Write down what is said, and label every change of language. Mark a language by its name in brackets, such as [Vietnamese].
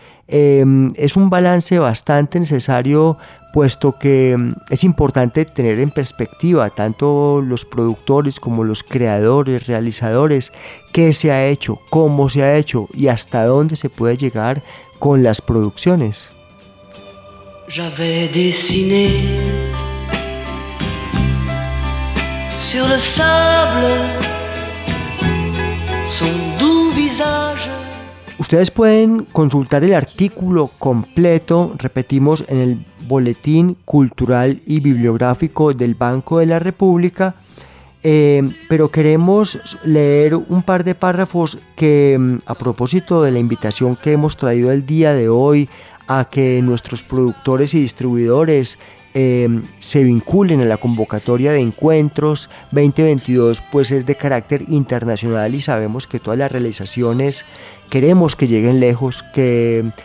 [Spanish] Es un balance bastante necesario, puesto que es importante tener en perspectiva tanto los productores como los creadores, realizadores, qué se ha hecho, cómo se ha hecho y hasta dónde se puede llegar con las producciones. [French] J'avais dessiné sur le sable son doux visage. [Spanish] Ustedes pueden consultar el artículo completo, repetimos, en el Boletín Cultural y Bibliográfico del Banco de la República, pero queremos leer un par de párrafos que, a propósito de la invitación que hemos traído el día de hoy a que nuestros productores y distribuidores se vinculen a la convocatoria de Encuentros 2022, pues es de carácter internacional y sabemos que todas las realizaciones queremos que lleguen lejos, que